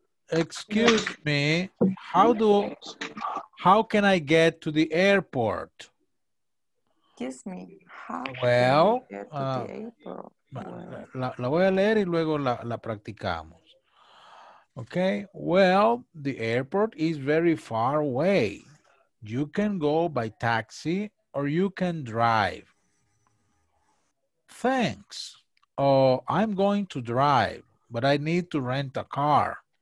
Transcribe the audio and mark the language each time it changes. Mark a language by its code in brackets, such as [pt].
[en] Excuse me, how can I get to the airport? Excuse me, how well, can I get to the airport? [es] La voy a leer y luego la practicamos. [en] Okay, well, the airport is very far away. You can go by taxi or you can drive. Thanks. Oh, I'm going to drive, but I need to rent a car.